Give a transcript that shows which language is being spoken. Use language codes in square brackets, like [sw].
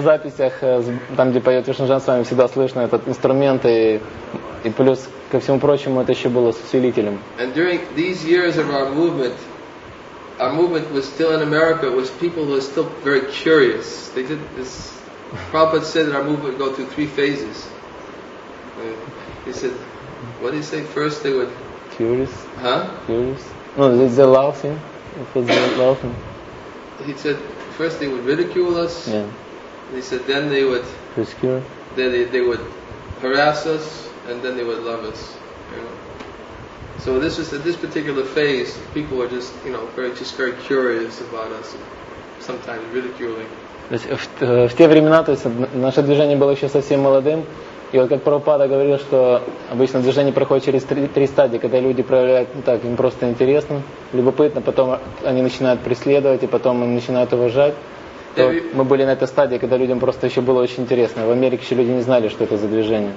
[ru] записях там, где поет Вишну Джан Свами, всегда слышно этот инструмент и плюс ко всему прочему это еще было с усилителем. [en] And during these years of our movement was still in America. Was people were still very curious. They did this. Prabhupada said that our movement would go through three phases. He said, what did he say? First they would... Curious? Huh? Curious? No, they laughing. They laughing. He said, first they would ridicule us. Yeah. He said, then they would... Persecute. They would harass us, and then they would love us. You know? So this was at this particular phase, people were just, you know, very curious about us, sometimes ridiculing. [ru] То есть в те времена, то есть наше движение было еще совсем молодым, и вот как Прабхупада говорил, что обычно движение проходит через три стадии, когда люди проявляют, ну так, им просто интересно, любопытно, потом они начинают преследовать, и потом они начинают уважать. То мы были на этой стадии, когда людям просто еще было очень интересно. В Америке еще люди не знали, что это за движение.